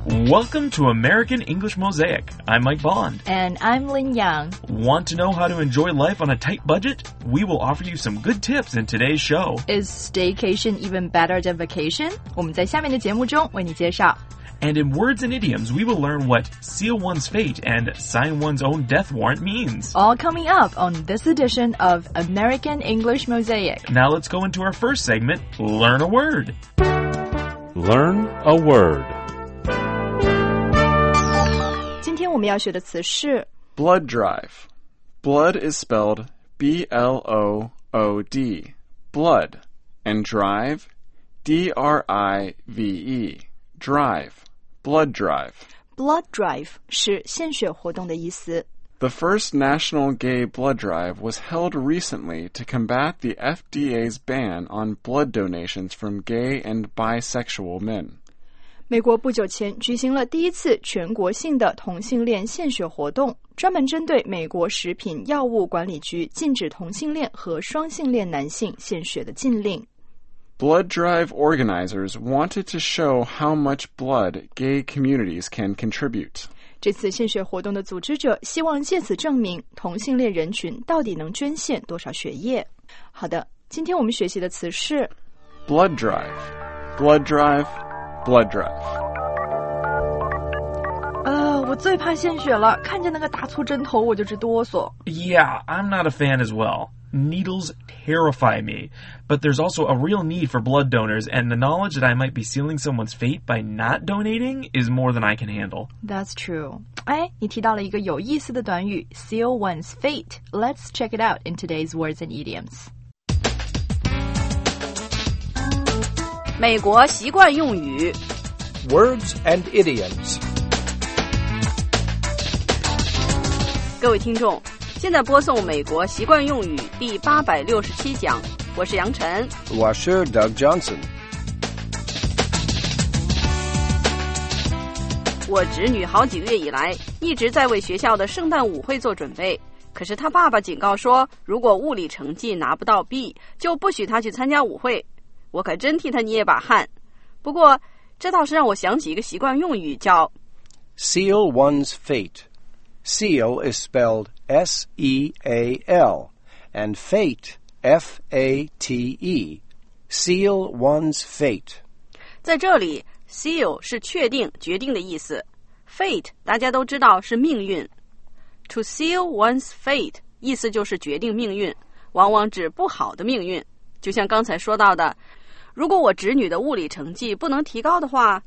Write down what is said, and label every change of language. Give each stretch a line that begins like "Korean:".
English: Welcome to American English Mosaic. I'm Mike Bond. And I'm Lin Yang. Want to know how to enjoy life on a tight budget? We will offer you some good tips in today's show. Is staycation even better than vacation?
Chinese: 我们在下面的节目中为你介绍。
English: And in words and idioms, we will learn what seal one's fate and sign one's own death warrant means. All coming up on this edition of American English Mosaic. Now let's go into our first segment, Learn a Word. Learn a Word.
Chinese: 我们要学的词是
English: blood drive. Blood is spelled B-L-O-O-D, blood, and drive, D-R-I-V-E, drive, blood drive.
Chinese: Blood drive 是献血活动的意思。
English: The first national gay blood drive was held recently to combat the FDA's ban on blood donations from gay and bisexual men.
Chinese: 美国不久前举行了第一次全国性的同性恋献血活动，专门针对美国食品药物管理局禁止同性恋和双性恋男性献血的禁令。
English: Blood drive organizers wanted to show how much blood gay communities can contribute.
Chinese: 这次献血活动的组织者希望借此证明同性恋人群到底能捐献多少血液。好的，今天我们学习的词是
English: blood drive, blood drive. Blood drive.
Chinese: 我最怕献血了，看见那个大粗针头我就直哆嗦。
English: Yeah, I'm not a fan as well. Needles terrify me. But there's also a real need for blood donors, and the knowledge that I might be sealing someone's fate by not donating is more than I can handle. That's true.
Chinese: 哎，你提到了一个有意思的短语 seal one's fate.
English: Let's check it out in today's words and idioms.
Chinese: 美国习惯用语
English: Words and idioms
Chinese: 各位听众现在播送美国习惯用语第867讲我是杨晨我是 Doug Johnson 我侄女好几个月以来一直在为学校的圣诞舞会做准备可是她爸爸警告说如果物理成绩拿不到 B 就不许她去参加舞会我可真替他捏把汗不过这倒是让我想起一个习惯用语叫
English: Seal one's fate Seal is spelled S-E-A-L And fate F-A-T-E Seal one's fate
Chinese: 在这里 Seal 是确定决定的意思 Fate 大家都知道是命运 To seal one's fate 意思就是决定命运往往指不好的命运就像刚才说到的如果我侄女的物理成绩不能提高的话